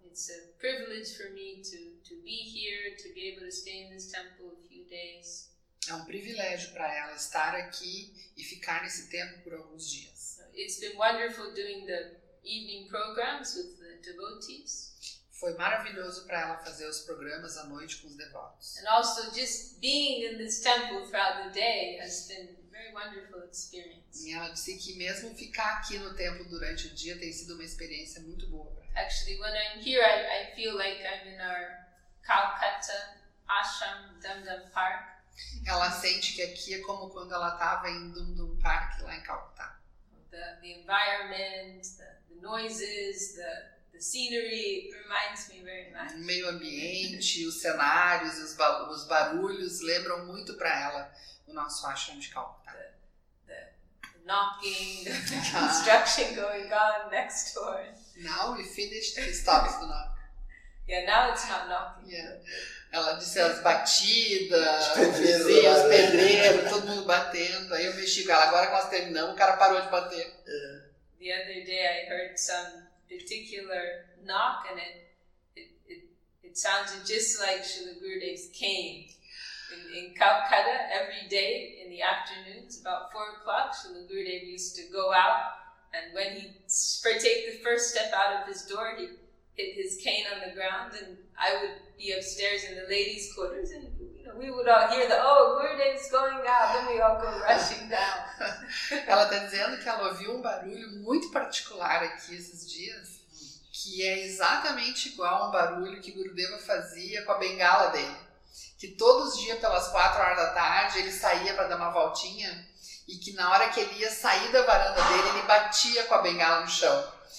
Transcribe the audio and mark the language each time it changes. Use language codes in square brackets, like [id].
[en] It's a privilege for me to be here, to be able to stay in this temple a few days. [pt] É um privilégio para ela estar aqui e ficar nesse templo por alguns dias. [en] It's been wonderful doing the evening programs with the devotees. [pt] Foi maravilhoso para ela fazer os programas à noite com os devotos. [en] And also just being in this temple throughout the day has been a very wonderful experience. [pt] E ela disse que mesmo ficar aqui no templo durante o dia tem sido uma experiência muito boa. [en] Actually, when I'm here, I feel like I'm in our Calcutta ashram, Dum Dum Park. [pt] Ela sente que aqui é como quando ela estava em Dum Dum Park, lá em Calcutta. [en] The environment, the noises, the scenery reminds me very much. [pt] O meio ambiente, os cenários, os barulhos lembram muito para ela o nosso ashram de Calcutta. [en] The knocking, the construction going on next door. Now we finished, he stops the knock. Yeah, now it's not knocking. Yeah. [pt] Ela disse as batidas, os pedreiros, todo mundo batendo. Aí eu mexi com ela, agora que nós terminamos, o cara parou de bater. [en] The other day I heard some particular knock and it sounded just like Srila Gurudev's cane. In Calcutta, every day in the afternoons, about 4 o'clock, Srila Gurudev used to go out. And when he take the first step out of his door, he hit his cane on the ground, and I would be upstairs in the ladies' quarters, and you know, we would all hear the, oh, Gurudev's going out, then we all go rushing down. [pt] Ela está dizendo que ela ouviu um barulho muito particular aqui esses dias, que é exatamente igual a um barulho que Gurudeva fazia com a bengala dele. Que todos os dias, pelas 4 horas da tarde, ele saía para dar uma voltinha, e que na hora que ele ia sair da varanda dele, ele batia com a bengala no chão.